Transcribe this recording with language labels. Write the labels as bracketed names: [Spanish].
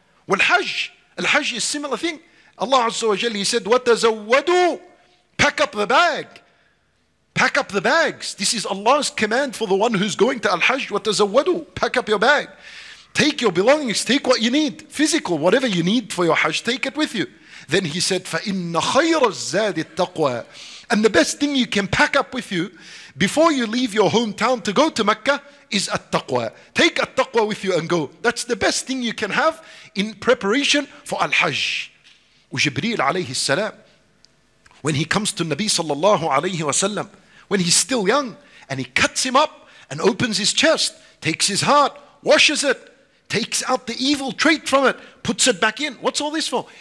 [English] Wal-hajj, al-hajj is a similar thing. Allah Azza wa Jalla, he said, [Arabic] وَتَزَوَّدُوا, [English] pack up the bag. Pack up the bags. This is Allah's command for the one who's going to al-hajj, [Arabic] وَتَزَوَّدُوا, [English] pack up your bag. Take your belongings, take what you need, physical, whatever you need for your Hajj, take it with you. Then he said, [Arabic] فَإِنَّ خَيْرَ الزَّادِ التَّقْوَى. [English] And the best thing you can pack up with you before you leave your hometown to go to Mecca is at-taqwa. Take at-taqwa with you and go. That's the best thing you can have in preparation for al-hajj. Jibreel alayhi salam, when he comes to Nabi sallallahu alayhi wa sallam, when he's still young, and he cuts him up and opens his chest, takes his heart, washes it, takes out the evil trait from it, puts it back in. What's all this for?